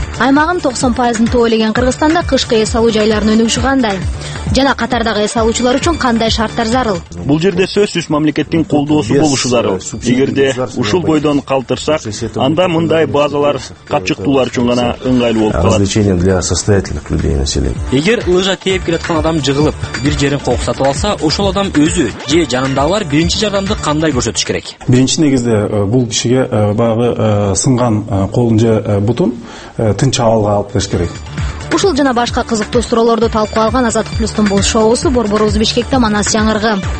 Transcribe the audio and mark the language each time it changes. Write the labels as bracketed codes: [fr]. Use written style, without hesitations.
[ky] Аймагын 90% тоолеген Кыргызстанда кышкы эс алуу жайларын өнүгүшү кандай? Жана Катардагы эс алуучулар үчүн кандай шарттар зарыл? Бул жерде сөзсүз мамлекеттин колдоосу болушу зарыл. Эгерде ушул бойдон калтырсак, анда мындай базалар капчыктуулар үчүн гана ыңгайлуу болуп калат. [ru] Развлечение для состоятельных людей, населения. [ky] Эгер лыжа тээп келаткан адам жыгылып, бир жерин кок сатып алса, ошол адам өзү же жанындагылар биринчи жардамды кандай көрсөтүш керек? Биринчи негизде бул кишиге баягы сынган колун же бутун тынч абалга алып келиш керек. Ушул жана башка кызыктуу суроолорду талкуу алган Азаттык Плюстун бул шоусу борборубуз Бишкекте Манас жаңыргы.